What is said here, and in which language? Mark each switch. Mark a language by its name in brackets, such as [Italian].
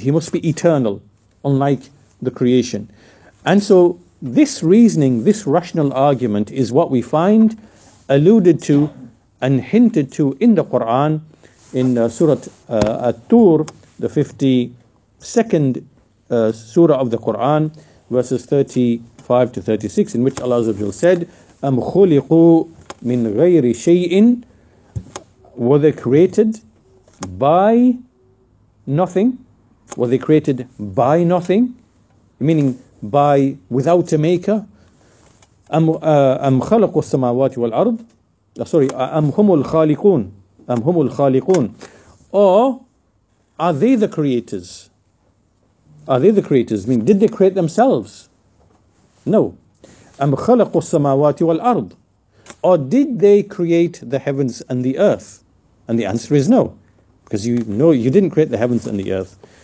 [English] He must be eternal, unlike the creation. And so this reasoning, this rational argument, is what we find alluded to and hinted to in the Quran, in Surah At-Tur, the 52nd Surah of the Quran, verses 35 to 36, in which Allah Azza wa Jalla said, [Arabic] أَمْ خُلِقُوا مِنْ غَيْرِ شَيْءٍ, [English] were they created by nothing? Were they created by nothing? Meaning by without a maker? [Arabic] أَمْ خَلَقُوا السَّمَاوَاتِ وَالْأَرْضِ, sorry, أَمْ هُمُ الْخَالِقُونَ, أَمْ هُمُ الْخَالِقُونَ, [English] or are they the creators? Are they the creators? I mean, did they create themselves? No. [Arabic] أَمْ خَلَقُوا السَّمَاوَاتِ وَالْأَرْضِ, [English] or did they create the heavens and the earth? And the answer is no, because you know you didn't create the heavens and the earth.